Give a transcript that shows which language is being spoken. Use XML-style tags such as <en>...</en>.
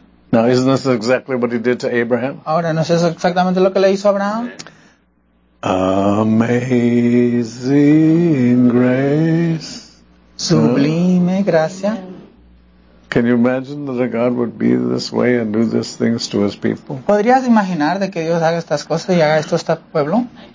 <en>Now, isn't this exactly what he did to Abraham?</en> <es>Ahora, ¿no es exactamente lo que le hizo a Abraham?</es> <en>Amazing grace.</en> <es>Sublime gracia.</es> <en>Can you imagine that a God would be this way and do these things to his people?</en> <es>¿Podrías imaginar de que Dios haga estas cosas y haga esto a este pueblo?</es>